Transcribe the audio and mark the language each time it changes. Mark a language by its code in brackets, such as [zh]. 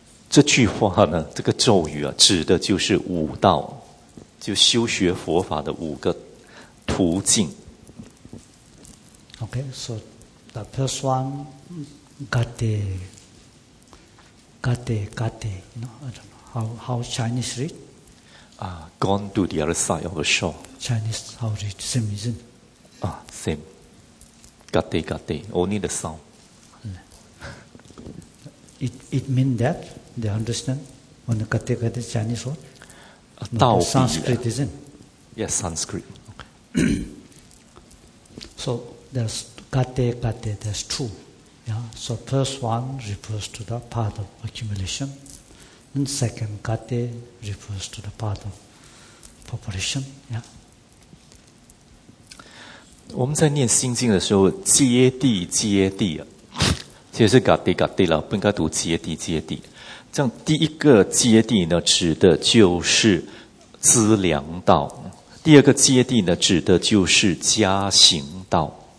[zh] 这句话呢，这个咒语啊，指的就是五道，就修学佛法的五个途径。 [en] Okay, so the first one gade gade gade, you know, I don't know how Chinese read. Gone to the other side of the shore. Chinese, how is it? Same, isn't it? Same. Gate, gate. Only the sound. It means that? They understand? When the gate, gate is Chinese word? Dao Bi. Sanskrit, isn't it? Yes, Sanskrit. So, there's gate, gate, there's two. Yeah? So, first one refers to the path of accumulation. And second, gate refers to the path of preparation. Yeah? [zh] 我们在念心经的时候，揭谛揭谛啊，其实是嘎谛嘎谛了，不应该读揭谛揭谛。这样第一个揭谛呢，指的就是资粮道；第二个揭谛呢，指的就是加行道。